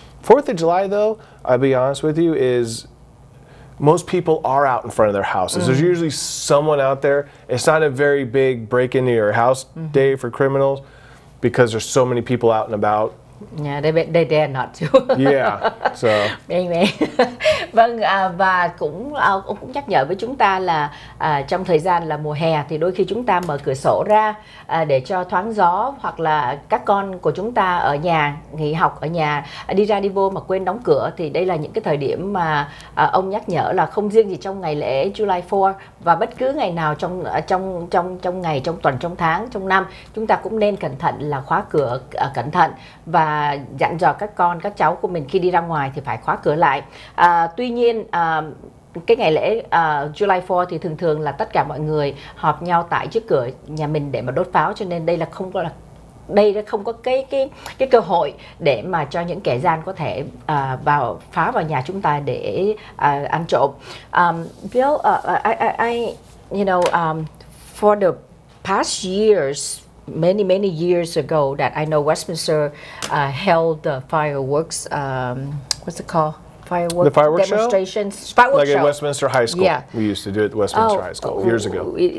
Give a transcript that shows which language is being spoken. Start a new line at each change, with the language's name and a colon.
English: 4th of July, though, I'll be honest with you, is most people are out in front of their houses. Mm-hmm. There's usually someone out there. It's not a very big break into your house day for criminals, because there's so many people out and about. Yeah, they dare not to. Yeah, so. Anyway.
Vietnamese: Vâng, và cũng ông cũng nhắc nhở với chúng ta là trong thời gian là mùa hè thì đôi khi chúng ta mở cửa sổ ra để cho thoáng gió, hoặc là các con của chúng ta ở nhà nghỉ học ở nhà, đi ra đi vô mà quên đóng cửa, thì đây là những cái thời điểm mà ông nhắc nhở là không riêng gì trong ngày lễ July 4, và bất cứ ngày nào trong ngày, trong tuần, trong tháng, trong năm, chúng ta cũng nên cẩn thận là khóa cửa cẩn thận, và dặn dò các con, các cháu của mình khi đi ra ngoài thì phải khóa cửa lại. Tuy nhiên cái ngày lễ July 4 thì thường thường là tất cả mọi người họp nhau tại trước cửa nhà mình để mà đốt pháo, cho nên đây là không có, là đây là không có cái cơ hội để mà cho những kẻ gian có thể vào phá vào nhà chúng ta để ăn trộm.
English: Bill, I you know, for the past years, many years ago, that I know Westminster held the fireworks. What's it called? The fireworks demonstrations, show? Fireworks like show. At Westminster High School. Yeah. We used to do it at Westminster High School years ago.